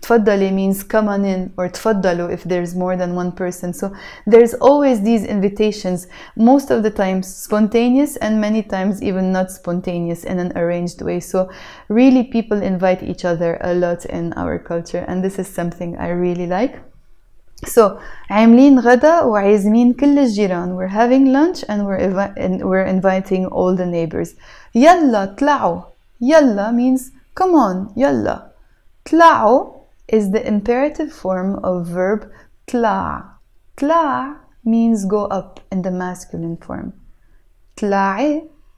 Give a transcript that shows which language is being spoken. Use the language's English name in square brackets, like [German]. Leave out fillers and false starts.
[English] تفضلي means come on in, or تفضلوا if there's more than one person. So there's always these invitations, most of the times spontaneous and many times even not spontaneous in an arranged way. So really people invite each other a lot in our culture, and this is something I really like. [Arabic] So, عاملين غدا وعازمين كل الجيران. [English] We're having lunch and we're inviting all the neighbors. [Arabic] يلا طلعوا. [English] يلا means come on. [Arabic] يلا. [English] طلعوا is the imperative form of verb طلع. طلع means go up in the masculine form. طلعي.